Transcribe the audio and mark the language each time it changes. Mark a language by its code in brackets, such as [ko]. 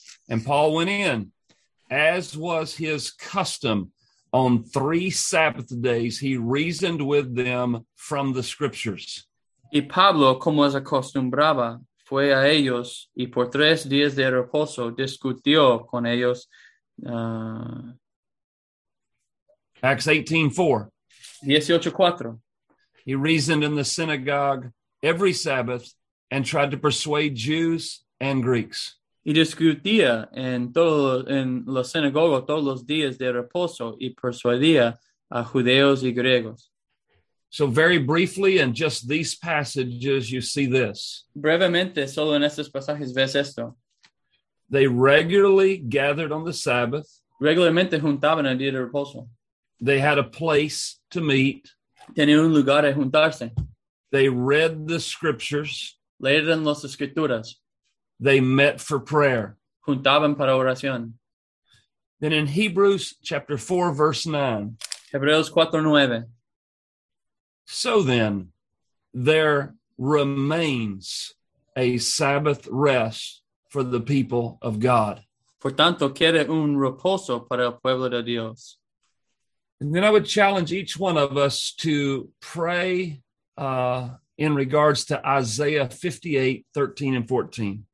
[en] And Paul went in, as was his custom. On three Sabbath days, he reasoned with them from the scriptures. [es] Y Pablo, como es acostumbraba, fue a ellos y por tres días de reposo discutió con ellos. [en] Acts 18:4. He reasoned in the synagogue every Sabbath and tried to persuade Jews and Greeks. [es] Y discutía en la sinagoga todos los días de reposo y persuadía a judeos y griegos. [en] So very briefly in just these passages, you see this. [es] Brevemente, solo en estos pasajes ves esto. [en] They regularly gathered on the Sabbath. [es] Regularmente juntaban el día de reposo. [en] They had a place to meet. [es] Tenían un lugar a juntarse. [en] They read the scriptures. [es] Leían las escrituras. [en] They met for prayer. [es] Juntaban para oración. [en] Then in Hebrews chapter 4, verse 9. [es] Hebreos 4:9. [en] So then, there remains a Sabbath rest for the people of God. [es] Por tanto, queda un reposo para el pueblo de Dios. [en] And then I would challenge each one of us to pray in regards to Isaiah 58:13-14.